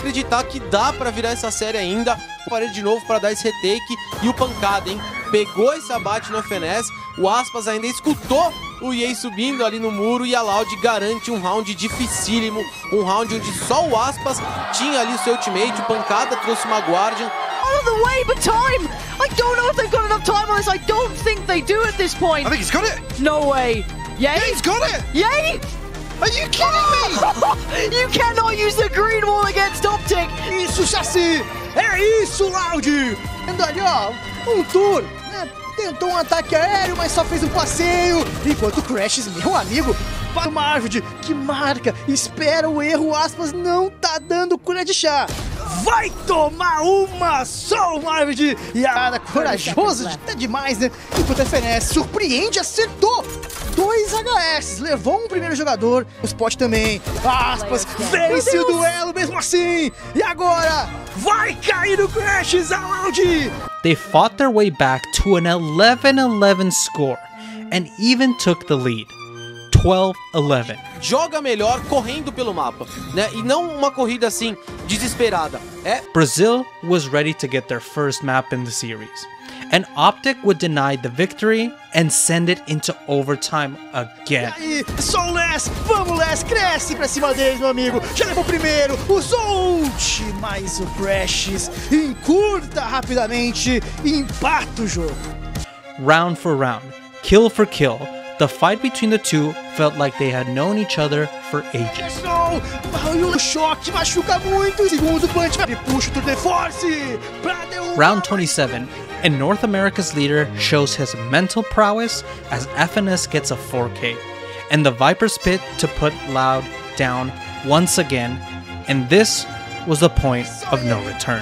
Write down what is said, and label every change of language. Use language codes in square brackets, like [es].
[pt] Acreditar que dá pra virar essa série ainda. Parei de novo pra dar esse retake. E o Pancada, hein? Pegou esse abate no FNS. O Aspas ainda escutou o Yay subindo ali no muro. E a Loud garante um round dificílimo. Um round onde só o Aspas tinha ali o seu ultimate. O Pancada trouxe uma Guardian. [en] All the way, but time! I don't know if they've got enough time on this. I don't think they do at this point. I think he's got it. No way. Yay? Yeah, he's got it. Yay? Are you kidding me? You cannot use the green wall against Optic. [pt] Isso, Sacy. É isso, Loud. And ali, ó, um tour. Tentou um ataque aéreo, mas só fez um passeio. Enquanto o Crashies, meu amigo, para o Marved, que marca, espera o erro, Aspas não tá dando colher de chá. Vai tomar uma só o Marved. E a cara corajosa, até demais, né? Enquanto o FNS surpreende, acertou. Dois HS, levou um primeiro jogador, o spot também. Aspas vence o duelo mesmo assim. E agora vai cair o Crashies, a Loud. [en] They fought their way back to an 11-11 score, and even took the lead, 12-11. [pt] Joga melhor correndo pelo mapa, né? E não uma corrida assim, desesperada, é? [en] Brazil was ready to get their first map in the series, and Optic would deny the victory and send it into overtime again. [pt] E aí, só o Less, vamos Less, cresce pra cima deles, meu amigo. Já levou o primeiro, usou ult, mas o Crashies encurta rapidamente e empata o jogo. [en] Round for round, kill for kill, the fight between the two felt like they had known each other for ages. Round 27, and North America's leader shows his mental prowess as FNS gets a 4K, and the Vipers pit to put Loud down once again, and this was the point of no return.